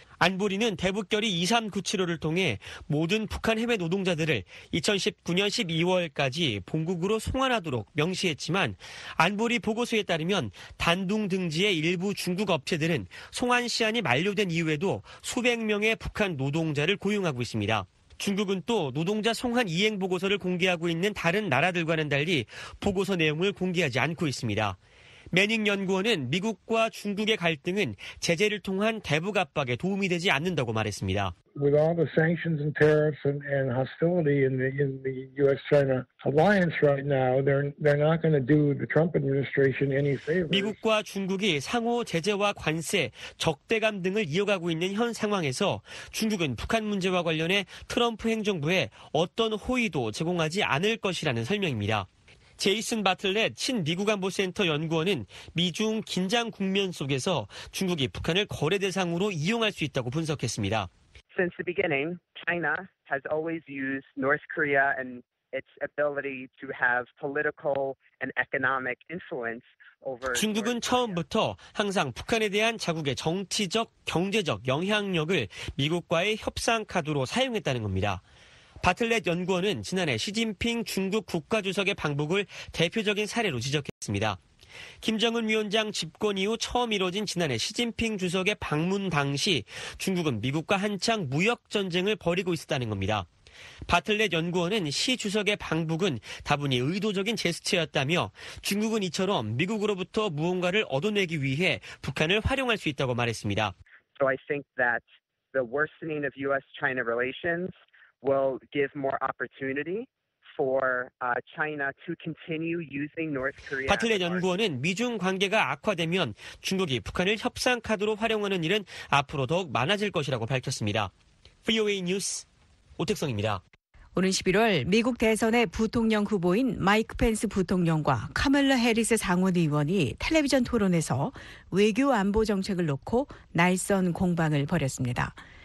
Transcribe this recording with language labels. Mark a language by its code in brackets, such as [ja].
[ko] 안보리는 대북결의 2397호를 통해 모든 북한 해외 노동자들을 2019년 12월까지 본국으로 송환하도록 명시했지만 안보리 보고서에 따르면 단둥 등지의 일부 중국 업체들은 송환 시한이 만료된 이후에도 수백 명의 북한 노동자를 고용하고 있습니다. 중국은 또 노동자 송환 이행 보고서를 공개하고 있는 다른 나라들과는 달리 보고서 내용을 공개하지 않고 있습니다. 매닝 연구원은 미국과 중국의 갈등은 제재를 통한 대북 압박에 도움이 되지 않는다고 말했습니다. [en] With all the sanctions and tariffs and hostility in the U.S.-China alliance right now, they're not going to do the Trump administration any favors. [ko] 미국과 중국이 상호 제재와 관세, 적대감 등을 이어가고 있는 현 상황에서 중국은 북한 문제와 관련해 트럼프 행정부에 어떤 호의도 제공하지 않을 것이라는 설명입니다. 제이슨 바틀렛 신미국 안보센터 연구원은 미중 긴장 국면 속에서 중국이 북한을 거래 대상으로 이용할 수 있다고 분석했습니다. [en] Since the beginning, China has always used North Korea and its ability to have political and economic influence. [ko] 중국은 처음부터 항상 북한에 대한 자국의 정치적, 경제적 영향력을 미국과의 협상 카드로 사용했다는 겁니다. 바틀렛 연구원은 지난해 시진핑 중국 국가주석의 방북을 대표적인 사례로 지적했습니다. 김정은 위원장 집권 이후 처음 이뤄진 지난해 시진핑 주석의 방문 당시 중국은 미국과 한창 무역 전쟁을 벌이고 있었다는 겁니다. 바틀렛 연구원은 시 주석의 방북은 다분히 의도적인 제스처였다며 중국은 이처럼 미국으로부터 무언가를 얻어내기 위해 북한을 활용할 수 있다고 말했습니다. [en] So I think that the worsening of U.S.-China relations will give more opportunity for China to continue using North Korea. [ko] 바틀렛 연구원은 미중 관계가 악화되면 중국이 북한을 협상 카드로 활용하는 일은 앞으로 더욱 많아질 것이라고 밝혔습니다. VOA 뉴스 오택성입니다. 오는 11월 미국 대선의 부통령 후보인 마이크 펜스 부통령과 카멀라 해리스 상원의원이 텔레비전 토론에서 외교 안보 정책을 놓고 날선 공방을 벌였습니다.